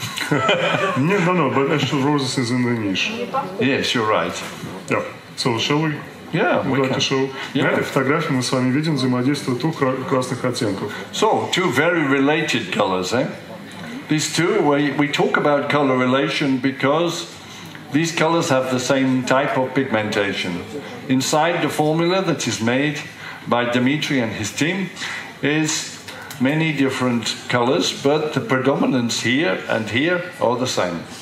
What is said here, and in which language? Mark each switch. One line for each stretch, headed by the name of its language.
English: No, but actually roses is in the niche. Yes, you're right. Yeah, so shall we... Yeah,
Russian: На этой фотографии мы с вами видим взаимодействие двух красных оттенков.
English: So, two very related colors, eh? These two, we talk about color relation because these colors have the same type of pigmentation. Inside the formula that is made by Dimitri and his team is many different colors, but the predominance here and here are the same.